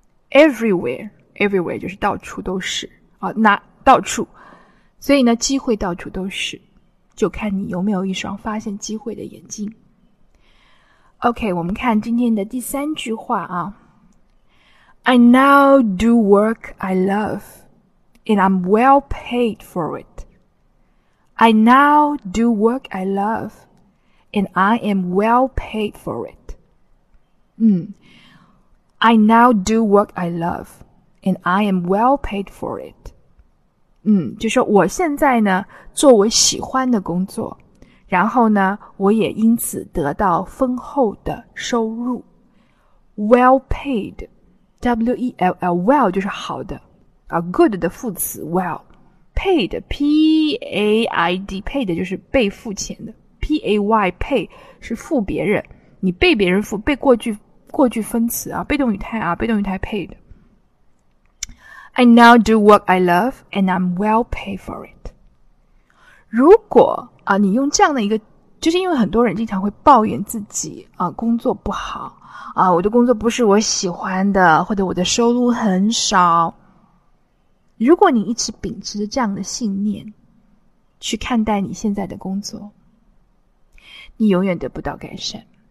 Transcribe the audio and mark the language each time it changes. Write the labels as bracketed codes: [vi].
[en] Everywhere, everywhere [zh] 就是到处都是啊，那到处，所以呢，机会到处都是，就看你有没有一双发现机会的眼睛。 OK, 我们看今天的第三句话啊。 [en] I now do work I love, and I'm well paid for it. I now do work I love, and I am well paid for it.、I now do work I love, and I am well paid for it.、 [zh] 就说我现在呢，做我喜欢的工作。然后呢，我也因此得到丰厚的收入。 [en] Well paid, [zh] W-E-L-L, well 就是好的、good 的副词 well. Paid, P-A-I-D, paid 就是被付钱的。 P-A-Y, pay 是付别人，你被别人付，被过去分词啊，被动语态啊，被动语态 paid. [en] I now do what I love, and I'm well paid for it. [zh] 如果啊，你用这样的一个，就是因为很多人经常会抱怨自己啊，工作不好啊，我的工作不是我喜欢的，或者我的收入很少。如果你一直秉持着这样的信念去看待你现在的工作，你永远得不到改善。